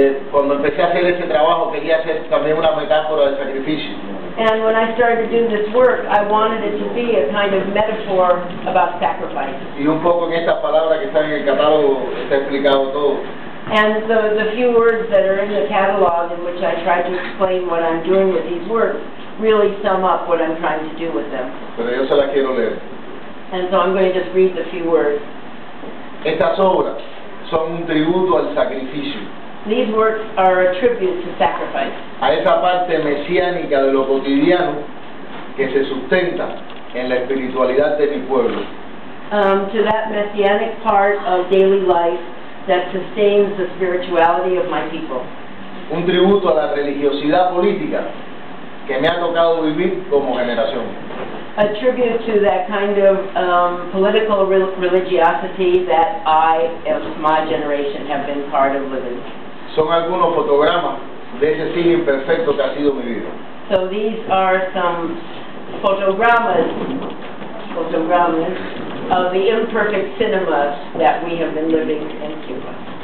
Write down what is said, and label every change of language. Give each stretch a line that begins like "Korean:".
Spanish: Cuando empecé a hacer este trabajo, quería hacer también una metáfora del sacrificio.
English: And when I started to do this work, I wanted it to be a kind of metaphor about sacrifice.
Spanish: Y un poco en estas palabras que están en el catálogo está explicado todo.
English: And the few words that are in the catalog in which I try to explain what I'm doing with these words really sum up what I'm trying to do with them.
Spanish: Pero yo se las quiero leer.
English: And so I'm going to just read the few words.
Spanish: Estas obras son un tributo al sacrificio.
English: These works are a tribute to sacrifice.
Spanish: A esa parte mesiánica de lo cotidiano que se sustenta en la espiritualidad de mi pueblo.
English: To that messianic part of daily life that sustains the spirituality of my people.
Spanish: Un tributo a la religiosidad política que me ha tocado vivir como generación.
English: A tribute to that kind of political religiosity that I and my generation have been part of living.
Spanish: Son algunos fotogramas de ese cine imperfecto que ha sido mi vida.
English: So these are some fotogramas of the imperfect cinema that we have been living in Cuba.